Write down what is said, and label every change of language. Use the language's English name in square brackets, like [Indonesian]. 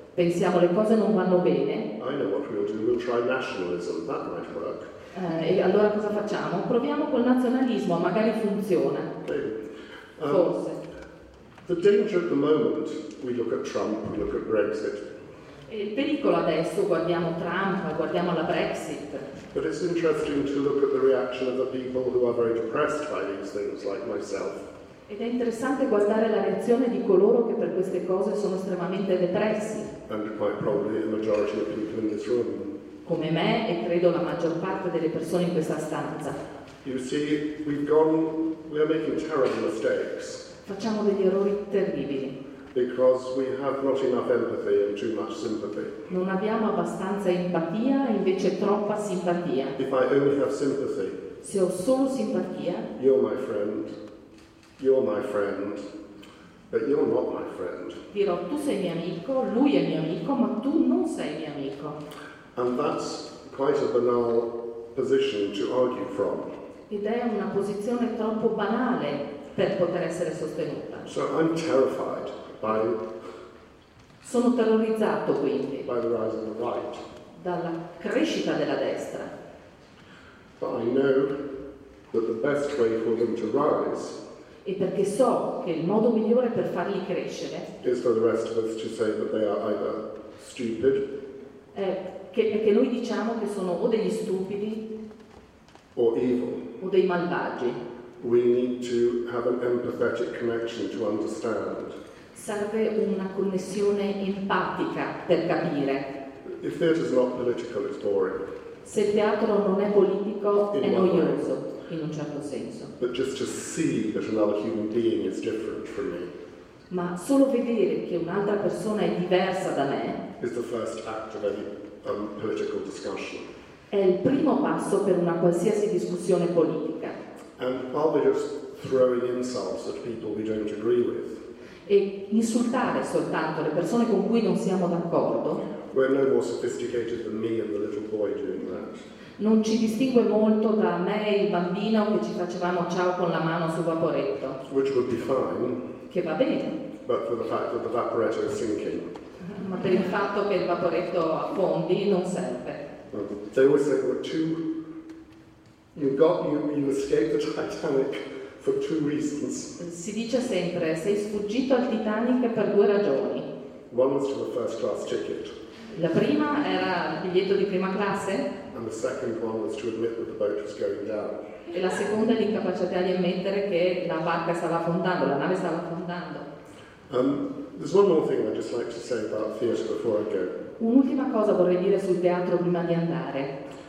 [Italian] Pensiamo le cose non vanno bene. [English] I know what we'll do. We'll try nationalism. That might work. [Italian] E allora cosa facciamo? Proviamo col nazionalismo, magari funziona. Forse. [English] The danger at the moment, we look at Trump, we look at Brexit. [Italian] E il pericolo adesso, guardiamo Trump, guardiamo la Brexit. [English] But it's interesting to look at the reaction of the people who are very depressed by these things, like myself. [Italian] Ed è interessante guardare la reazione di coloro che per queste cose sono estremamente depressi. [English] And quite probably the majority of people in this room. [Italian] Come me e credo la maggior parte delle persone in questa stanza. [English] You see, we are making terrible mistakes. [Italian] Facciamo degli errori terribili. [English] Because we have not enough empathy and too much sympathy. [Italian] Non abbiamo abbastanza empatia, invece troppa simpatia. [English] If I only have sympathy. [Italian] Se ho solo simpatia. [English] You're my friend. You're my friend. But you're not my friend. [Italian] Dirò, tu sei mio amico, lui è mio amico, ma tu non sei mio amico. [English] And that's quite a banal position to argue from. [Italian] Ed è una posizione troppo banale per poter essere sostenuta. [English] So I'm terrified by. [Italian] Sono terrorizzato quindi. [English] By the rise of the right. [Italian] Dalla crescita della destra. [English] But I know that the best way for them to rise. [Italian] E perché so che il modo migliore per farli crescere. [English] Is for the rest of us to say that they are either stupid. [Italian] Che noi diciamo che sono o degli stupidi [English] or evil. [Italian] O dei malvagi. [English] We need to have an empathetic connection to understand. [Italian] Serve una connessione empatica per capire. [English] If theatre is not political, it's boring. [Italian] Se il teatro non è politico, è noioso, in un certo senso. [English] But just to see that another human being is different from me. [Italian] Ma solo vedere che un'altra persona è diversa da me [English] is the first act of any political discussion. [Italian] È il primo passo per una qualsiasi discussione politica. [English] And are we just throwing insults at people we don't agree with? [Italian] E insultare soltanto le persone con cui non siamo d'accordo? [English] We're no more sophisticated than me and the little boy doing that. [Italian] Non ci distingue molto da me e il bambino che ci facevamo ciao con la mano sul vaporetto. [English] Which would be fine. [Italian] Che va bene. [English] But for the fact that the vaporetto is sinking. [Italian] Ma per il fatto che il vaporetto affondi non serve. [English] They always say, well, two, you escaped the Titanic for two reasons. [Italian] Si dice sempre, sei sfuggito al Titanic per due ragioni. [English] One was for the first class ticket. [Italian] La prima era il biglietto di prima classe. [English] And the second one was to admit that the boat was going down. [Italian] E la seconda è l'incapacità di ammettere che la barca stava affondando, la nave stava affondando. [English] There's one more thing I'd just like to say about theatre before I go. [Italian] Un'ultima cosa vorrei dire sul teatro prima di andare.